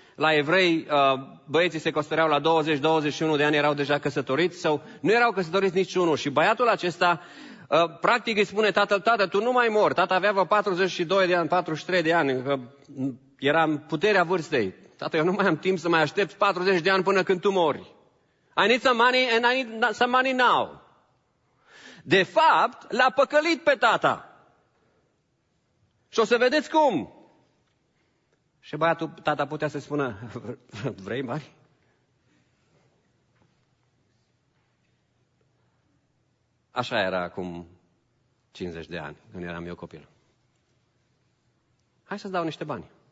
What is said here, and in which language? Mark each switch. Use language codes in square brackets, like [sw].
[ro] La evrei, băieții se căsătoreau la 20-21 de ani, erau deja căsătoriți sau nu erau căsătoriți niciunul. Și băiatul acesta, practic îi spune, tată, tu nu mai mor. Tata avea 42 de ani, 43 de ani, că era în puterea vârstei. Tată, eu nu mai am timp să mai aștept 40 de ani până când tu mori. [en] I need some money and I need some money now. [ro] De fapt, l-a păcălit pe tata. Și o să vedeți cum. Și băiatul, tata putea să spună, vrei bani? Așa era acum 50 de ani, când eram eu copil. Hai să-ți dau niște bani.